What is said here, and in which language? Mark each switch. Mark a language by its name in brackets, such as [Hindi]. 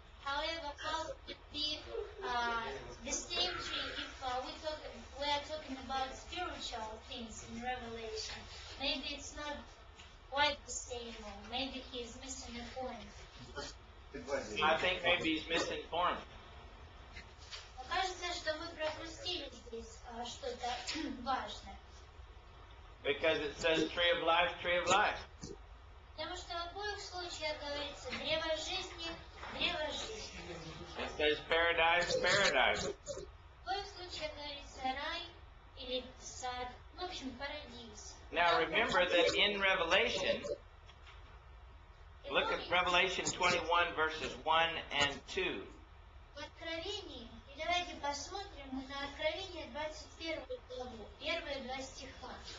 [English] However, how could be the same tree if we are talking about spiritual things in Revelation? Maybe it's not quite the same, or maybe he's missing a point. I think maybe he's missing a point. [Russian] Кажется, что мы пропустили здесь что-то важное. [English] Because it says tree of life, tree of life. [Russian] Потому что в обоих случаях говорится древо жизни, древо жизни. [English] It says paradise, paradise. [Russian] В обоих случаях говорится рай или сад, в общем, парадис. [English] Now remember that in Revelation, look at Revelation 21 verses 1 and 2. [Russian] В Откровении, и давайте посмотрим на Откровение 21 главу, первые два стиха.